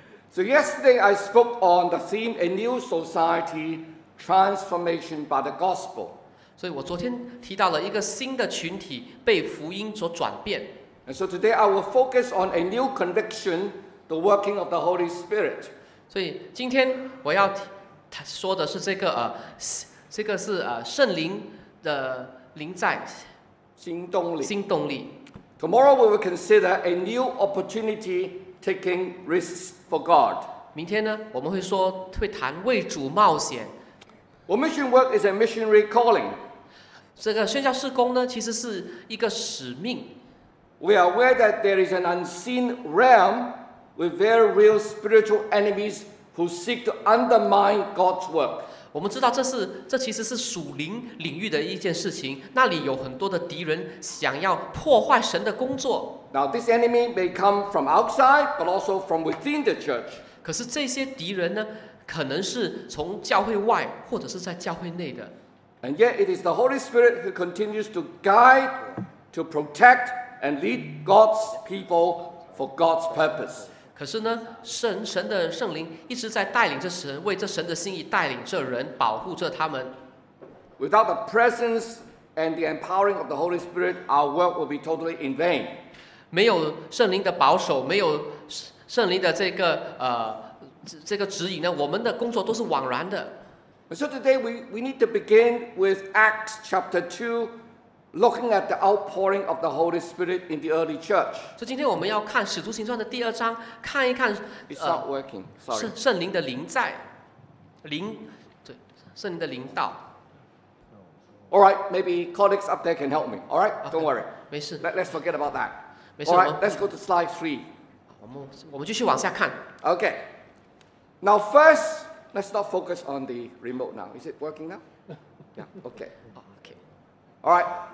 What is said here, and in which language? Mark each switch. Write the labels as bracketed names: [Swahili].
[English] So yesterday I spoke on the theme, A New Society,Transformation by the gospel. [Chinese] 所以我昨天提到了一个新的群体被福音所转变。 [English] And so today I will focus on a new conviction, the working of the Holy Spirit. [Chinese] 所以今天我要说的是这个这个是圣灵的灵在。新动力。新动力。 [English] Tomorrow we will consider a new opportunity taking risks for God. [Chinese] 明天呢，我们会谈为主冒险。 [English] Well, mission work is a missionary calling. [Chinese] 这个宣教事工呢，其实是一个使命。 [English] We are aware that there is an unseen realm with very real spiritual enemies who seek to undermine God's work. [Chinese] 我们知道这其实是属灵领域的一件事情，那里有很多的敌人想要破坏神的工作。 [English] Now, this enemy may come from outside, but also from within the church. [Chinese] 可是这些敌人呢？可能是从教会外或者是在教会内的。 [English] And yet it is the Holy Spirit who continues to guide, to protect, and lead God's people for God's purpose. [Chinese] 可是呢，神的圣灵一直在带领着神，为着神的心意带领着人，保护着他们。 [English] Without the presence and the empowering of the Holy Spirit, our work will be totally in vain. [Chinese] 没有圣灵的保守，没有圣灵的这个这个指引呢，我们的工作都是枉然的。 [English] So today we need to begin with Acts chapter 2, looking at the outpouring of the Holy Spirit in the early church. [Chinese] 今天我们要看《使徒行传》的第二章， 看一看， [English] It's not working. Sorry. [Chinese] 圣灵的灵在， 灵， 对， 圣灵的灵道。 [English] All right, maybe colleagues up there can help me. All right, don't worry. [Chinese] 没事。 [English] Let's forget about that. [Chinese] 没事。 [English] All right, let's go to slide 3. [Chinese] 我们继续往下看。 [English] Okay. Now first, let's not focus on the remote now. Is it working now? Yeah, okay. All right.